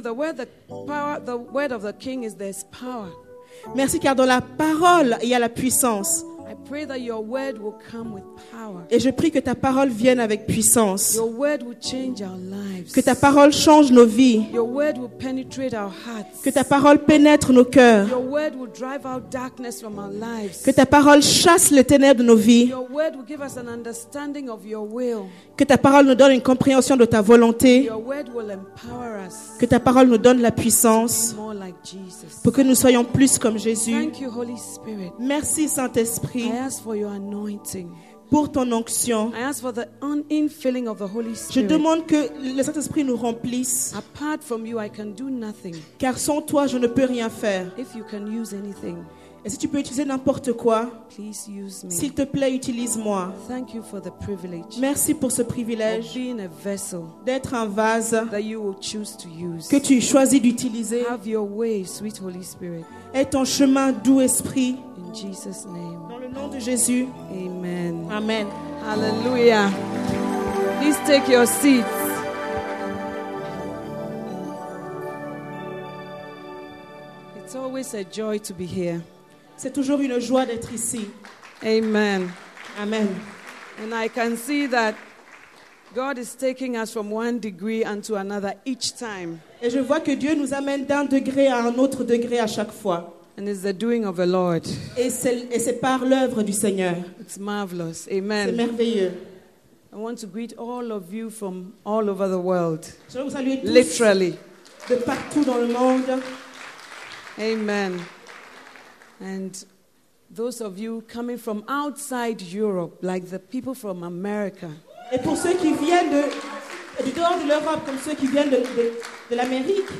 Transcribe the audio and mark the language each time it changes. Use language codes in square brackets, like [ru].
[en] The word of the king is there's power. [fr] Merci car dans la parole il y a la puissance. [en] I pray that your word will come with power. [fr] Et je prie que ta parole vienne avec puissance. [en] Your word will change our lives. [fr] Que ta parole change nos vies. [en] Your word will penetrate our hearts. [fr] Que ta parole pénètre nos cœurs. [en] Your word will drive out darkness from our lives. [fr] Que ta parole chasse les ténèbres de nos vies. [en] Your word will give us an understanding of your will. [fr] Que ta parole nous donne une compréhension de ta volonté. [en] Your word will empower us. [fr] Que ta parole nous donne la puissance. [en] More like Jesus. [fr] Pour que nous soyons plus comme Jésus. [en] Thank you, Holy Spirit. [fr] Merci, Saint-Esprit. [en] I ask for your anointing. [fr] Pour ton onction. [en] I ask for the infilling of the Holy Spirit. [fr] Je demande que le Saint-Esprit nous remplisse. [en] Apart from you, I can do nothing. [fr] Car sans toi, je ne peux rien faire. [en] If you can use anything, [fr] et si tu peux utiliser n'importe quoi, [en] please use me. [fr] S'il te plaît, utilise-moi. [en] Thank you for the privilege. [fr] Merci pour ce privilège [en] being a vessel [fr] d'être un vase [en] that you will choose to use. [fr] Que tu choisis d'utiliser. [en] Have your way, sweet Holy Spirit. [fr] Aie ton chemin, doux Esprit. [en] In Jesus' name. [fr] Nom de Jésus. [en] Amen. [fr] Amen. [en] Hallelujah. Please take your seats. It's always a joy to be here. [fr] C'est toujours une joie d'être ici. [en] Amen. [fr] Amen. [en] And I can see that God is taking us from one degree unto another each time. [fr] Et je vois que Dieu nous amène d'un degré à un autre degré à chaque fois. [en] And it's the doing of the Lord. [fr] Et c'est par l'œuvre du Seigneur. [en] It's marvelous. Amen. [fr] C'est merveilleux. [en] I want to greet all of you from all over the world. [fr] Je veux vous saluer tous. [en] Literally. [fr] De partout dans le monde. [en] Amen. And those of you coming from outside Europe, like the people from America. [fr] Et pour ceux qui viennent de dehors de l'Europe, comme ceux qui viennent de l'Amérique.